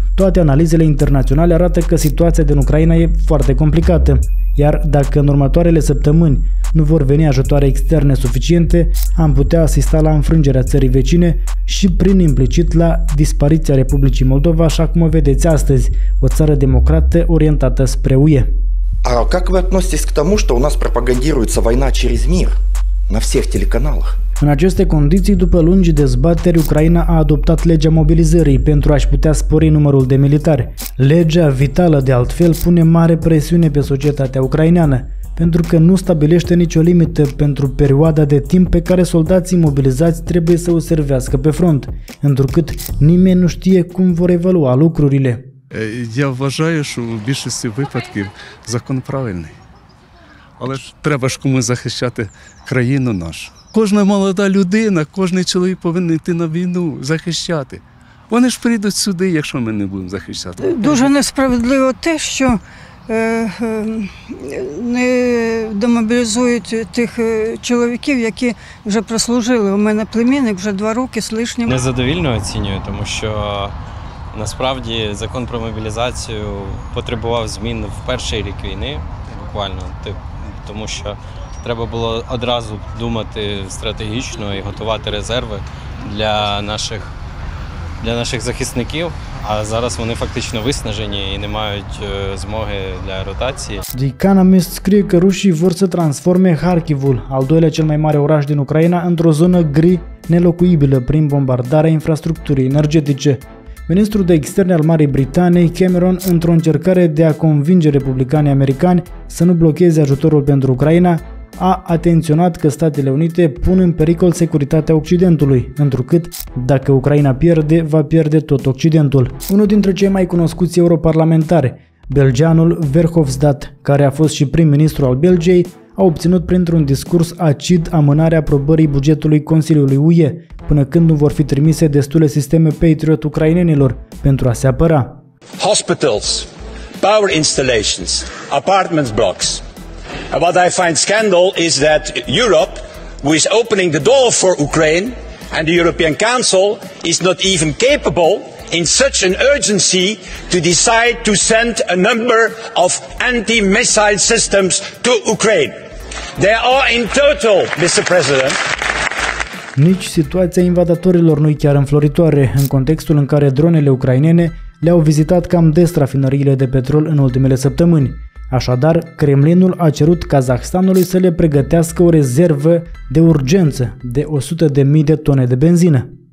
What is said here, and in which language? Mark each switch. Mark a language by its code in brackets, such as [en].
[ro] Toate analizele internaționale arată că situația din Ucraina e foarte complicată, iar dacă în următoarele săptămâni nu vor veni ajutoare externe suficiente, am putea asista la înfrângerea țării vecine și, prin implicit, la dispariția Republicii Moldova, așa cum o vedeți astăzi, o țară democrată orientată spre UE. [ru] А как вы относитесь к тому, что у нас пропагандируется война через мир на всех телеканалах? [ro] În aceste condiții, după lungi dezbateri, Ucraina a adoptat legea mobilizării pentru a-și putea spori numărul de militari. Legea vitală, de altfel, pune mare presiune pe societatea ucraineană, pentru că nu stabilește nicio limită pentru perioada de timp pe care soldații mobilizați trebuie să o servească pe front, întrucât nimeni nu știe cum vor evolua lucrurile. [uk] Eu vважаю, що в більшості випадків закон правильний. Але ж треба ж кому захищати країну нашу. Кожна молода людина, кожен чоловік повинен йти на війну, захищати. Вони ж прийдуть сюди, якщо ми не будемо захищати. Дуже несправедливо те, що не демобілізують тих чоловіків, які вже прослужили. У мене племінник вже 2 роки з лишнім. Незадовільно оцінюю, тому що насправді закон про мобілізацію потребував змін в перший рік війни, буквально, тому що треба було одразу думати стратегічно і готувати резерви для наших захисників, а зараз вони фактично виснажені і не мають змоги для ротації. [ro] The Economist scrie că rușii vor să transforme Harkivul, al doilea cel mai mare oraș din Ucraina, într-o zonă gri, nelocuibilă prin bombardarea infrastructurii energetice. Ministrul de Externe al Marii Britanii, Cameron, într-o încercare de a convinge republicanii americani să nu blocheze ajutorul pentru Ucraina, a atenționat că Statele Unite pun în pericol securitatea Occidentului, întrucât, dacă Ucraina pierde, va pierde tot Occidentul. Unul dintre cei mai cunoscuți europarlamentari, belgianul Verhofstadt, care a fost și prim-ministru al Belgiei, a obținut printr-un discurs acid amânarea aprobării bugetului Consiliului UE, până când nu vor fi trimise destule sisteme Patriot ucrainenilor pentru a se apăra. [en] Hospitals, power installations, apartment blocks. What I find scandal is that Europe, who is opening the door for Ukraine, and the European Council is not even capable in such an urgency to decide to send a number of anti-missile systems to Ukraine. There are in total, Mr. President. [ro] Nici situația invadatorilor nu-i chiar înfloritoare, în contextul în care dronele ucrainene le-au vizitat cam des rafinăriile de petrol în ultimele săptămâni. Așadar, Kremlinul a cerut Kazahstanului să le pregătească o rezervă de urgență de 100.000 de tone de benzină.